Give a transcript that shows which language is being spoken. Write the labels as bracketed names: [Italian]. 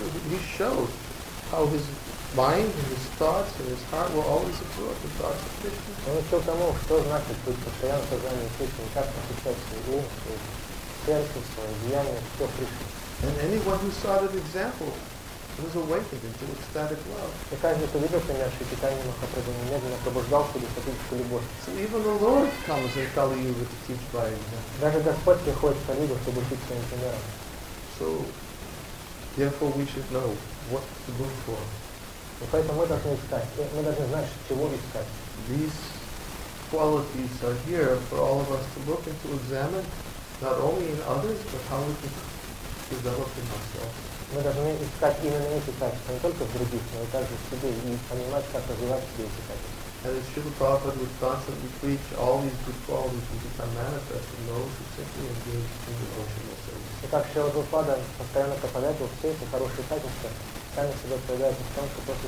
[English] He showed how his mind and his thoughts and his heart will always absorb the thoughts of Krishna. [Russian] Он учил тому, что значит быть постоянно в сознании Кришны, как посвящать свой ум, свое сердце, свое деяние, все Кришне. [English] And anyone who saw that example was awakened into ecstatic love. [Russian] И каждый, кто видел пример Шри Чайтаньи Махапрабху, немедленно пробуждал в себе сатвическую любовь. [English] So even the Lord comes in Kali Yuga to teach by example. [Russian] Даже Господь приходит в Кали Югу, чтобы учить своим примером. [English] So, therefore we should know what to look for. [Russian] И поэтому мы должны искать, мы должны знать, чего искать. [English] These qualities are here for all of us to look and to examine, not only in others, but how we can develop in ourselves. [Russian] Мы должны искать именно эти качества, не только в других, но и также в себе, и понимать, как развивать себе эти качества. [English] And as Srila Prabhupada would constantly preach, all these good qualities will become manifest in those who simply engage in devotional service. [Russian] И как Шрила Прабхупада постоянно проповедовал все эти хорошие качества, сами себя проявляют в том, что просто